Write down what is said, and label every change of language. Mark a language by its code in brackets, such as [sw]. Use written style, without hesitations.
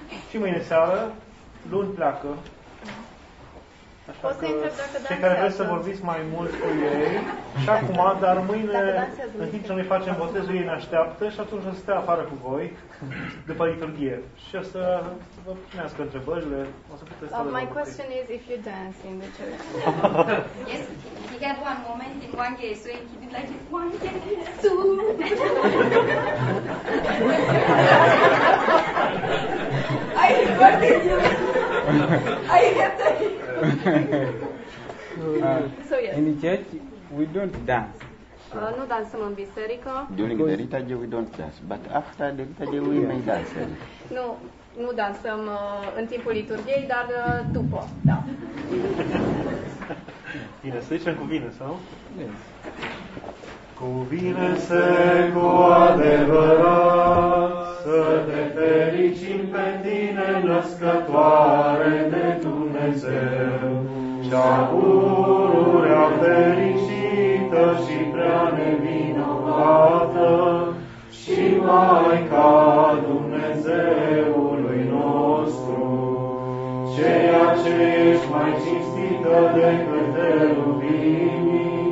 [ro] Și mâine seară, luni pleacă. Așa că cei care vreți să vorbiți mai mult cu ei, și acum, dar mâine, în timp ce noi facem botezul, ei ne așteaptă și atunci o să stea afară cu voi, după liturghie. Și o să vă primească întrebările, o să puteți să [en] My question is if you dance in the church. Yes, he had one moment in Wange, so he did like, Wange, soon. I heard it. I have to so, yes. In the church, we don't dance. [ro] Nu dansăm în biserică. [en] During the liturgy we don't dance, but after the liturgy we may dance. [ro] Nu dansăm în timpul liturgiei, dar după, da. Bine, să zicem cu bine, sau? [en] Yes. [ro] Cuvine se cu adevărat să te fericim pe tine, născătoare de Dumnezeu, cea pururea fericită și prea nevinovată și Maica Dumnezeului nostru, ceea ce ești mai cinstită decât de lumini